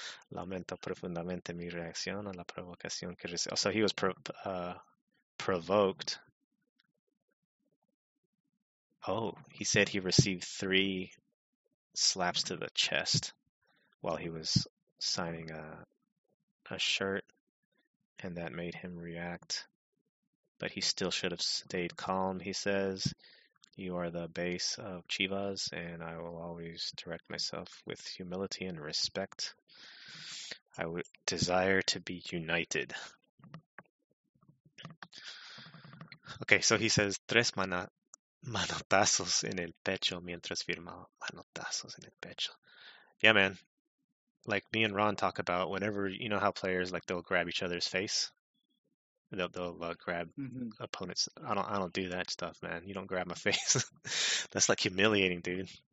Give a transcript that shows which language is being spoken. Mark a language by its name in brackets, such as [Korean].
[Spanish] Lamento profundamente mi reacción a la provocación que recibí. [English] Oh, so he was provoked. Oh, he said he received three slaps to the chest while he was signing a shirt, and that made him react, but he still should have stayed calm. He says, "You are the base of Chivas, and I will always direct myself with humility and respect. I would desire to be united." Okay, so he says [Spanish] tres manotazos en el pecho mientras firmaba. Manotazos en el pecho. [English] Yeah, man. Like me and Ron talk about whenever, you know how players like they'll grab each other's face. They'll grab opponents. I don't do that stuff, man. You don't grab my face. That's like humiliating, dude.